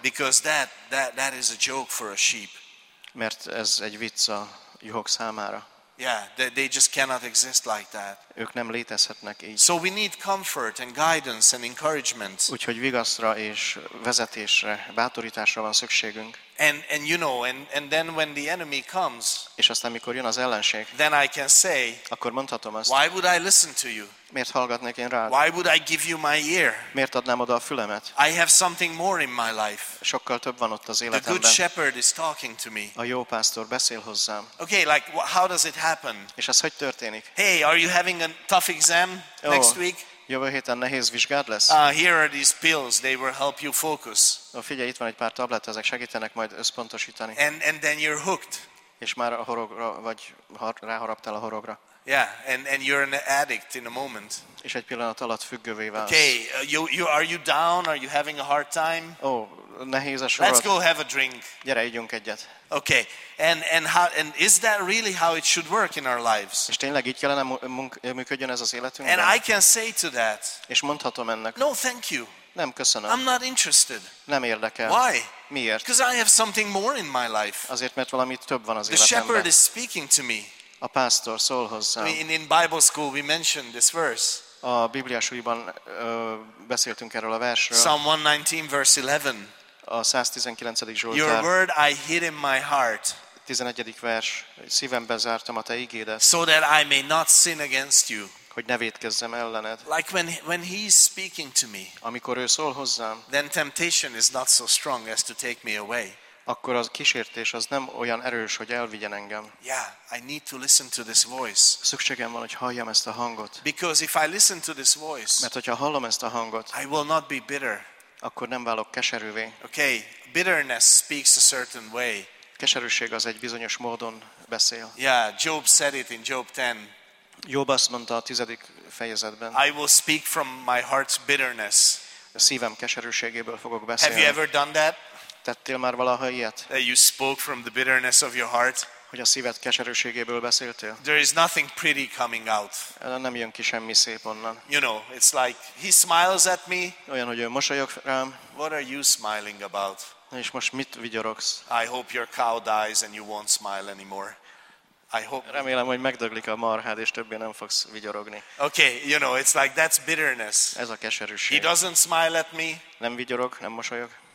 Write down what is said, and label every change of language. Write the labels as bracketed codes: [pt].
[en] Because that is a joke for a sheep. [hu] Mert ez egy vicc a juhok számára. [en] Yeah, they just cannot exist like that. [hu] Ők nem létezhetnek így. [en] So we need comfort and guidance and encouragement. [hu] Úgyhogy vigasztra és vezetésre, bátorításra van szükségünk. [en] And you know, and then when the enemy comes, [hu] és aztán mikor jön az ellenség, [en] then I can say, [hu] akkor mondhatom azt, [en] why would I listen to you? [hu] Miért hallgatnék én rád? [en] Why would I give you my ear? [hu] Miért adnám oda a fülemet? [en] I have something more in my life. [hu] Sokkal több van ott az életemben. [en] The good shepherd is talking to me. [hu] A jó pásztor beszél hozzám. [en] Okay, like how does it happen? [hu] És ez hogy történik? [en] Hey, are you having a tough exam next week? [hu] Jövő héten nehéz vizsgád lesz. [en] Here are these pills. They will help you focus. [hu] Figyelj, itt van egy pár tabletta, ezek segítenek majd összpontosítani. [en] And then you're hooked. [hu] És már a horogra vagy ráharaptál a horogra. [en] Yeah, and you're an addict in a moment. [hu] És egy pillanat alatt függővé válsz. [en] Okay, you are you down? Are you having a hard time? [hu] Oh, nehéz a sorod. [en] Let's go have a drink. [hu] Gyere, ígyunk egyet. [en] Okay, and is that really how it should work in our lives? [hu] És tényleg így kellene működjön ez az életünkben? [en] And I can say to that. [hu] És mondhatom ennek. [en] No, thank you. [hu] Nem, köszönöm. [en] I'm not interested. [hu] Nem érdekel. [en] Why? [hu] Miért? [en] Because I have something more in my life. [hu] Azért, mert valami több van az [en] the [hu] életemben. [en] The shepherd is speaking to me. [hu] A pásztor szól hozzám. [en] In Bible school we mentioned this verse. [hu] A bibliásúliban beszéltünk erről a versről. [en] Psalm 119 verse 11. [hu] A 119. Zsoltár. [en] Your word I hid in my heart. [hu] 11. vers. Szívembe zártam a te ígédet. [en] So that I may not sin against you. [hu] Hogy ne vétkezzem ellened. [en] Like when he's speaking to me. [hu] Amikor ő szól hozzám. [en] Then temptation is not so strong as to take me away. [hu] Akkor a kísértés az nem olyan erős, hogy elvigyen engem. [en] Yeah, I need to listen to this voice. [hu] Szükségem van, hogy halljam ezt a hangot. [en] Because if I listen to this voice, [hu] mert hogyha hallom ezt a hangot, [en] I will not be bitter. [hu] Akkor nem válok keserűvé. [en] Okay, bitterness speaks a certain way. [hu] Keserűség az egy bizonyos módon beszél. [en] Yeah, Job said it in Job 10. [hu] Job azt mondta a 10. fejezetben. [en] I will speak from my heart's bitterness. [hu] A szívem keserűségéből fogok beszélni. [en] Have you ever done that? [hu] Tettél már valaha ilyet? [en] That you spoke from the bitterness of your heart. [hu] Hogy a szíved keserűségéből beszéltél. [en] There is nothing pretty coming out. [hu] Nem jön ki semmi szép onnan. [en] You know, it's like he smiles at me. [hu] Olyan, hogy ő mosolyog rám. [en] What are you smiling about? [hu] És most mit vigyorogsz? [en] I hope your cow dies and you won't smile anymore. I hope. [hu] Remélem, hogy megdöglik a marhád és többé nem fogsz vigyorogni. [en] Okay, you know, it's like that's bitterness. [hu] Ez a keserűség. [en] He doesn't smile at me. [hu] Nem vigyorog, nem mosolyog.